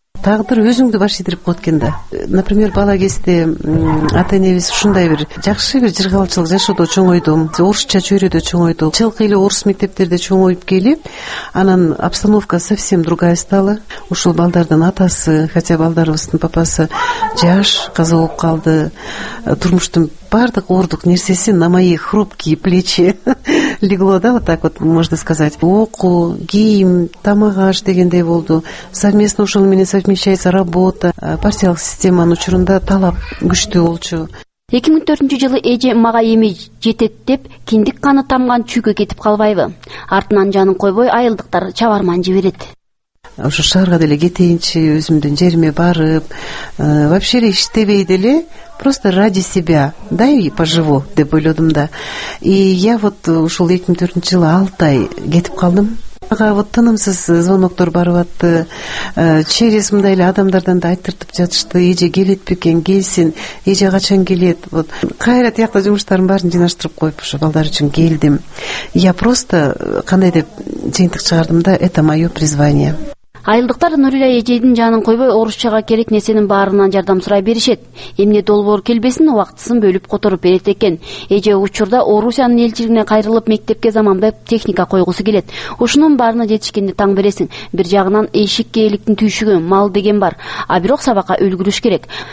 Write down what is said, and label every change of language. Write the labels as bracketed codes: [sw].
[ky] Тагдыр өзүңдү баш идирип коет экен да. Например, бала кезде ата энебиз ушундай бир жакшы бир жыргалчылык жашоодо чоңойдум, орусча чөйрөдө чоңойдум, чылкы эле орус мектептерде чоңоюп келип, анан [ru] обстановка совсем другая стала. [ky] Ушул балдардын атасы, хотя балдарыбыздын папасы жаш, каза болуп калды, турмуштун бардык оордук нерсеси [ru] на мои хрупкие плечи легло, да, вот так вот можно сказать. [ky] Окуу, кийим, тамак аш дегендей болду. Совместно ушул менен [ru] совмещается работа. [ky] Партиялык системанын учурунда талап күчтүү болчу. 2004 жылы эже мага эми жетет деп киндик каны тамган чүйгө кетип калбайбы. Артынан жанын койбой айылдыктар чабарман жиберет. Ошо шаарга деле кетейинчи, өзүмдүн жериме барып, вообще эле иштебей деле, [ru] просто ради себя, да, и поживу, [ky] деп ойлодум да. [ru] И я вот [ky] ушул 2004 жылы 6 ай кетип калдым. Ага вот тынымсыз звоноктор барып атты. Через мындай эле адамдардан да айттыртып жатышты. Эже келет бекен, келсин. Эже качан келет? Вот. Кайра тиякта жумуштарын баарын жыйнаштырып коюп, ошо балдар үчүн келдим. [ru] Я просто [ky] кандай деп жыйынтык чыгардым да, [ru] это моё призвание. [ky] Айылдыктар Нурилла эжедин жанын койбой орусчага керек нерсенин баарынан жардам сурай беришет. Эмне долбоор келбесин убактысын бөлүп которуп берет экен. Эже учурда Орусиянын элчилигине кайрылып мектепке заманбай техника койгусу келет. Ушунун баарына жетишкенде таң бересиң. Бир жагынан эшикке эликтин түйшүгү мал деген бар, а бирок сабакка үлгүрүш керек.